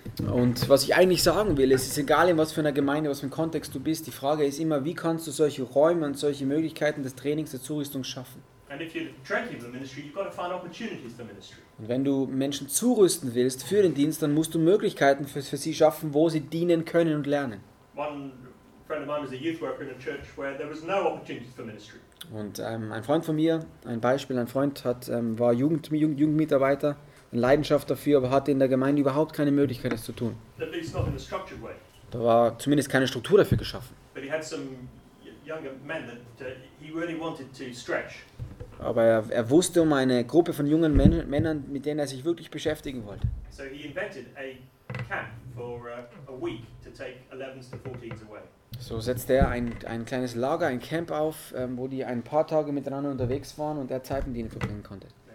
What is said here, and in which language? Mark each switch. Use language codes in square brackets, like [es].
[de] Und was ich eigentlich sagen will, es ist egal, in was für einer Gemeinde, was für ein Kontext du bist, die Frage ist immer, wie kannst du solche Räume und solche Möglichkeiten des Trainings, der Zurüstung schaffen? Und wenn du Menschen zurüsten willst für den Dienst, dann musst du Möglichkeiten für sie schaffen, wo sie dienen können und lernen. [en] A friend of mine was a youth worker in a church where there was no opportunity for ministry. [de] Und ein Freund von mir, ein Beispiel, ein Freund hat war Jugendmitarbeiter, eine Leidenschaft dafür, aber hatte in der Gemeinde überhaupt keine Möglichkeit, das zu tun. [en] At least not in a structured way. [de] Da war zumindest keine Struktur dafür geschaffen. [en] But he had some younger men that he really wanted to stretch. [de] Aber er wusste um eine Gruppe von jungen Männern, mit denen er sich wirklich beschäftigen wollte. [en] So he invented a camp for a week to take 11s to 14s away. [de] So setzte er ein kleines Lager, ein Camp auf, wo die ein paar Tage miteinander unterwegs waren und er Zeit mit ihnen verbringen konnte.